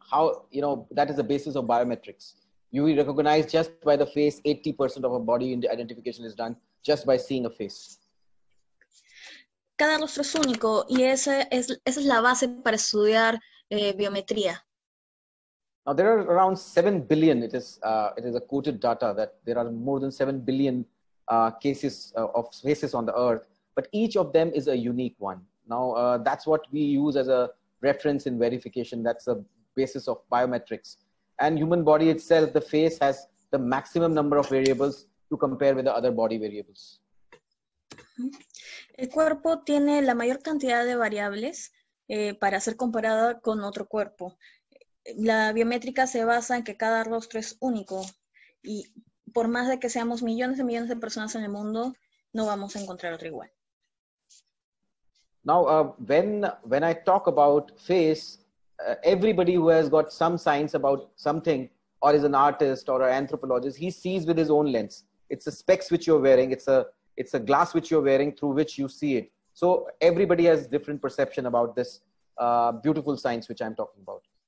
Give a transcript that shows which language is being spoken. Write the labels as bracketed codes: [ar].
[en] How, you know, that is the basis of biometrics. You will recognize just by the face, 80% of a body identification is done just by seeing a face. [es] Cada rostro es único y esa es la base para estudiar biometría. [en] Now there are around 7 billion, it is a quoted data that there are more than 7 billion cases of faces on the earth, but each of them is a unique one. Now that's what we use as a reference in verification. That's the basis of biometrics. And human body itself, the face has the maximum number of variables to compare with the other body variables. [es] El cuerpo tiene la mayor cantidad de variables para ser comparada con otro cuerpo. La biométrica se basa en que cada rostro es único. Y por más de que seamos millones y millones de personas en el mundo, no vamos a encontrar otro igual. [en] Now, when I talk about face, everybody who has got some science about something or is an artist or an anthropologist, he sees with his own lens. It's the specs which you're wearing. It's a glass which you're wearing through which you see it. So everybody has different perception about this beautiful science which I'm talking about.